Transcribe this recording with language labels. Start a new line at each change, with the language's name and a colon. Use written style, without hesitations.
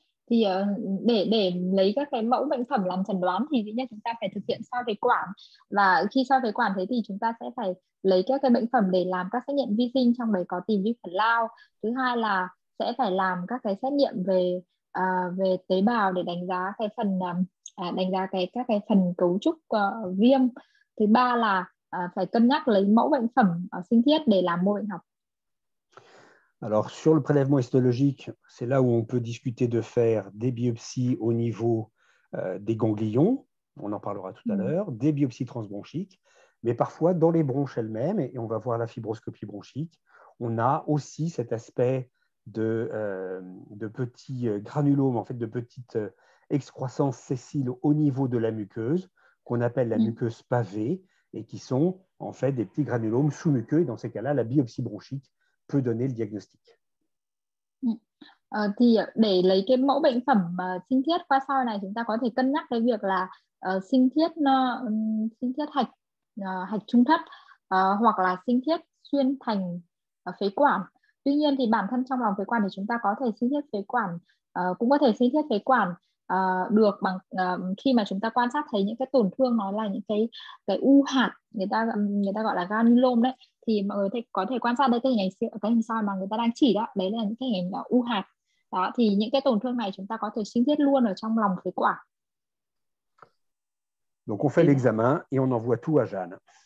Vietnamese: Thì để lấy các cái mẫu bệnh phẩm làm chẩn đoán thì nhất chúng ta phải thực hiện sao về quản, và khi sao về quản thế thì chúng ta sẽ phải lấy các cái bệnh phẩm để làm các xét nghiệm vi sinh, trong đấy có tìm vi khuẩn lao. Thứ hai là sẽ phải làm các cái xét nghiệm về về tế bào để đánh giá cái phần đánh giá cái các cái phần cấu trúc viêm. Thứ ba là phải cân nhắc lấy mẫu bệnh phẩm sinh thiết để làm mô bệnh học.
French: Alors, sur le prélèvement histologique, c'est là où on peut discuter de faire des biopsies au niveau des ganglions, on en parlera tout à l'heure, des biopsies transbronchiques, mais parfois dans les bronches elles-mêmes, et on va voir la fibroscopie bronchique, on a aussi cet aspect de petits granulomes, en fait de petites excroissances sessiles au niveau de la muqueuse, qu'on appelle la muqueuse pavée, et qui sont en fait des petits granulomes sous-muqueux, et dans ces cas-là, la biopsie bronchique peut donner le diagnostic.
Vietnamese: Thì để lấy cái mẫu bệnh phẩm sinh thiết qua soi này, chúng ta có thể cân nhắc cái việc là sinh thiết hạch hạch trung thất hoặc là sinh thiết xuyên thành phế quản. Tuy nhiên thì bản thân trong lòng phế quản thì chúng ta có thể sinh thiết phế quản cũng có thể sinh thiết phế quản được bằng khi mà chúng ta quan sát thấy những cái tổn thương nó là những cái u hạt, người ta gọi là granulom đấy, thì mọi người có thể quan sát đây cái hình ảnh soi mà người ta đang chỉ đó, đấy là những cái hình ảnh là u hạt đó, thì những cái tổn thương này chúng ta có thể sinh thiết luôn ở trong lòng phế quản.
French: Donc on fait l'examen et on envoie tout à Jeanne.